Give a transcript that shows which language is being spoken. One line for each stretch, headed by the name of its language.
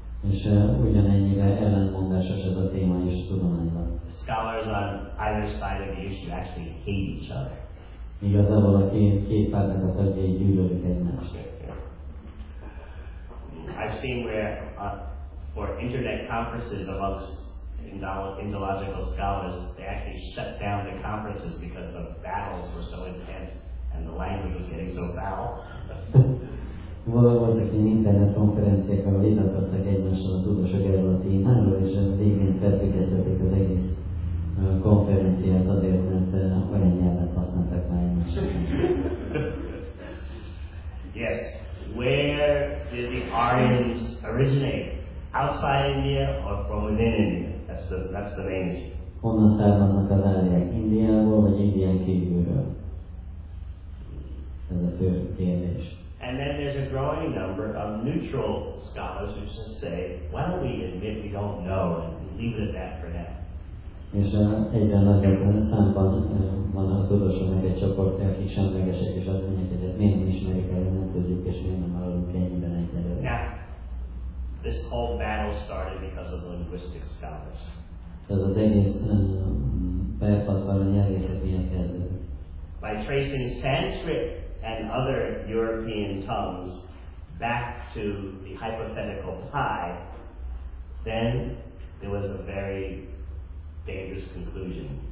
Hungarian: És ugyanennyire ellentmondásos ez a téma is tudományban.
English: Scholars on either side of the issue actually hate each other.
Hungarian: Igazából a két pártnak a tagjai gyűlölik egymást.
English: I've seen where for internet conferences amongst Indological scholars, they actually shut down the conferences because the battles were so intense and the language was getting so foul.
Hungarian: Voltak ilyen internet konferenciák, ahol vitatkoztak egymással a tudósok erről a témáról, és a végén felfüggesztették az egész konferenciát azért, mert olyan nyelvet használtak már egymással.
English: Yes. Where did the Aryans originate? Outside India or from within India? That's the main issue.
Hungarian: Honnan származnak az áriák? Indiából vagy Indián kívülről? Ez a fő kérdés.
English: And then there's a growing number of neutral scholars who just say, why don't we admit we don't know and leave it at that for now?
Hungarian: És egyre nagyobb számban van a tudósoknak egy csoportja, akik semlegesek, és azt mondják, hogy miért nem ismerik el, nem tudjuk, és miért nem maradunk ennyiben egyelőre.
English: Now, this whole battle started because of linguistic scholars.
Hungarian: Ez az egész perpatvára nyelvészet miatt kezdődött.
English: By tracing Sanskrit and other European tongues back to the hypothetical pi, then there was a very dangerous conclusion